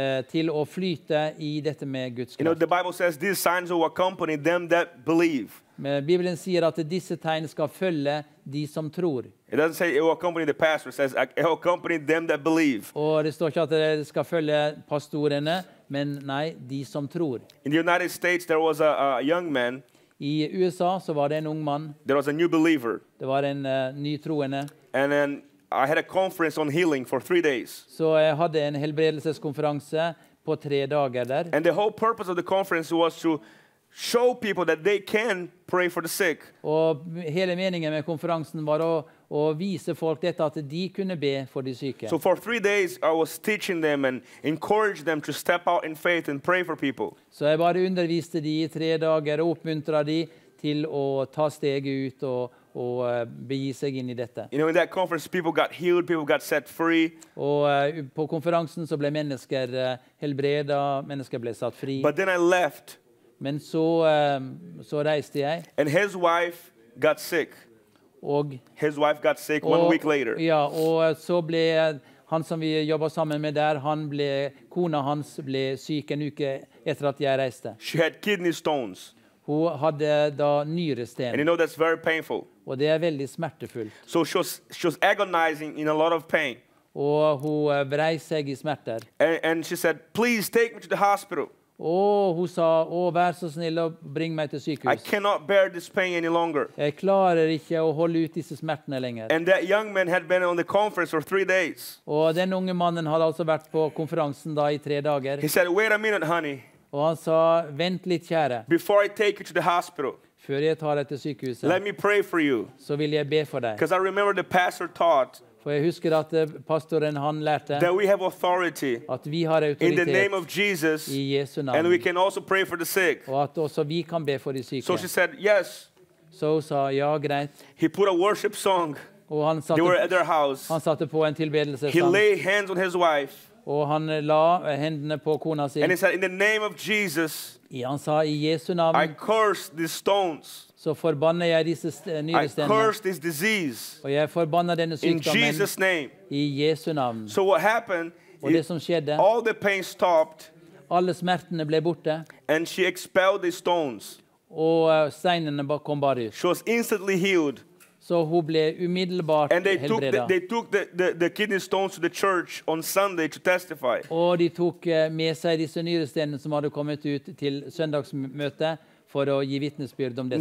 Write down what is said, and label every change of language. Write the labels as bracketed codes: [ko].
[no] Til å flyte i dette med Guds kraft. [en] You know, the Bible says these signs will accompany them that believe. [no] Men Bibelen sier at disse tegn skal følge de som tror. [en] It doesn't say it will accompany the pastor. It says it will accompany them that believe. [no] Og det står ikke at det skal følge pastorene, men nei, de som tror. [en] In the United States, there was a young man. [no] I USA så var det en ung mann. [en] There was a new believer. [no] Det var en ny troende. [en] And then I had a conference on healing for 3 days. [no] Så jeg hadde en helbredelseskonferanse på 3 dager der. [en] And the whole purpose of the conference was to show people that they can pray for the sick. [no] Og hele meningen med konferansen var å vise folk dette at de kunne be for de syke. [en] So for 3 days I was teaching them and encouraged them to step out in faith and pray for people. [no] Så jeg bare underviste de i 3 dager og oppmuntret de til å ta steget ut og begi seg inn i dette. [en] You know, in that conference people got healed, people got set free. [no] Og på konferansen så ble mennesker helbredet, mennesker ble satt fri. [en] But then I left. [no] Men så så reiste jeg. [en] And his wife got sick. His wife got sick 1 week later. [no] Ja, og så ble han som vi jobbet sammen med der, kona hans ble syk en uke etter at jeg reiste. [en] She had kidney stones. [no] Hun hadde da nyresten. [en] And you know that's very painful. [no] Og det veldig smertefullt. [en] So she was agonizing in a lot of pain. [no] Og hun vrei seg i smerter. [en] And she said, please take me to the hospital. [no] Og hun sa, vær så snill og bring meg til sykehus. [en] I cannot bear this pain any longer. [no] Jeg klarer ikke å holde ut disse smertene lenger. [en] And that young man had been on the conference for 3 days. [no] Og den unge mannen hadde altså vært på konferansen da i 3 dager. [en] He said, wait a minute, honey. [no] Og han sa, vent litt, kjære. [en] Before I take you to the hospital. [no] Før jeg tar deg til sykehuset. [en] Let me pray for you. [no] Så vil jeg be for deg. [en] Because I remember the pastor taught. [no] For jeg husker at pastoren han lærte [en] that we have authority [no] at vi har autoritet [en] in the name of Jesus, [no] i Jesu navn. [en] And we can also pray for the sick. [no] Og at også vi kan be for de syke. [en] So she said, yes. [no] Så hun sa, ja, greit. [en] He put a worship song. [no] Og han satte, [en] they were at their house. [no] Han satte på en tilbedelsesang. [en] He lay hands on his wife. [no] Og han la hendene på kona si. [en] And he said, in the name of Jesus, [no] han sa, i Jesu navn, [en] I curse these stones. [no] Så forbanner jeg disse nyrestenene. [en] I curse this disease. [no] Og jeg forbanner denne sykdommen. [en] In Jesus' name. [no] I Jesu navn. [en] So what happened? [no] Og det som skjedde. [en] All the pain stopped. [no] Alle smertene ble borte. [en] And she expelled the stones. [no] Og steinene kom bare ut. [en] She was instantly healed. [no] Så hun ble umiddelbart helbredet. [en] And they took the kidney stones to the church on Sunday to testify. [no] Og de tok med seg disse nyrestenene som hadde kommet ut til søndagsmøtet. For å gi vitnesbyrd om det